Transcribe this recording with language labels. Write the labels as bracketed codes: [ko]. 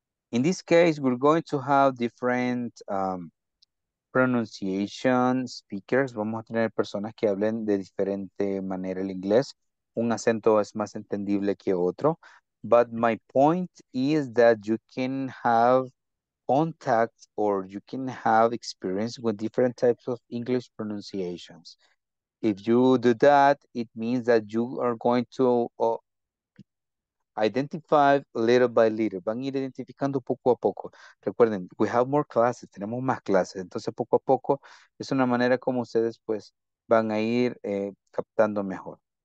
[en] In this case, we're going to have different pronunciation speakers. [es] Vamos a tener personas que hablen de diferente manera el inglés. Un acento es más entendible que otro. [en] But my point is that you can have contact or you can have experience with different types of English pronunciations. If you do that, it means that you are going to identify little by little. [es] Van a ir identificando poco a poco. Recuerden, [en] we have more classes. [es] Tenemos más clases. Entonces, poco a poco, es una manera como ustedes, pues, van a ir captando mejor.